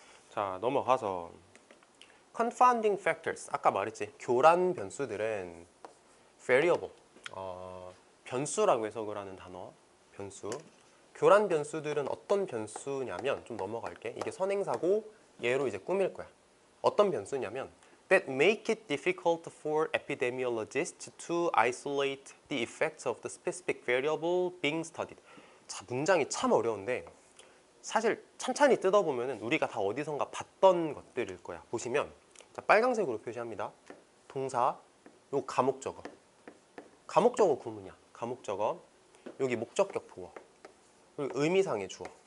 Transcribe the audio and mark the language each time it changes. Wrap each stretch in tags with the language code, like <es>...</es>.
<ko>자, 넘어가서 confounding factors. 아까 말했지, 교란 변수들은 variable, 변수라고 해석을 하는 단어, 변수. 교란 변수들은 어떤 변수냐면, 좀 넘어갈게. 이게 선행사고 얘로 이제 꾸밀 거야. 어떤 변수냐면,</ko> <en>that make it difficult for epidemiologists to isolate the effects of the specific variable being studied.</en> <ko>자, 문장이 참 어려운데, 사실 찬찬히 뜯어보면은 우리가 다 어디선가 봤던 것들일 거야. 보시면, 자, 빨강색으로 표시합니다. 동사, 요 감옥적어. 감옥적어 구문이야. 감옥적어. 여기 목적격 보어. 그리고 의미상의 주어.</ko>